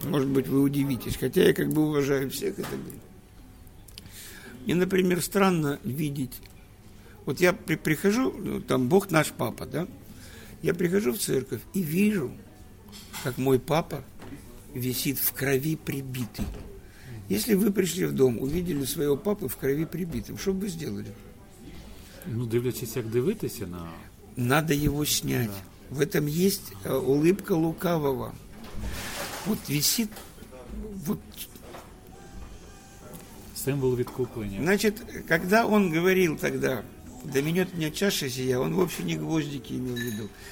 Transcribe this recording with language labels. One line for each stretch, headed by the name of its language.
Russian: Может быть, вы удивитесь, хотя я как бы уважаю всех. Это. Мне, например, странно видеть, вот я прихожу, ну, там Бог наш папа, да? Я прихожу в церковь и вижу, как мой папа висит в крови прибитый. Если вы пришли в дом, увидели своего папу в крови прибитым, что бы вы сделали?
Ukrainian: Ну, дивлячись, як дивитися на...
Russian: Надо его снять. Да. В этом есть улыбка лукавого. Вот висит... Вот.
Ukrainian: Символ відкуплення.
Russian: Значит, когда он говорил тогда, да минет меня чаша сия, он вообще не гвоздики имел в виду.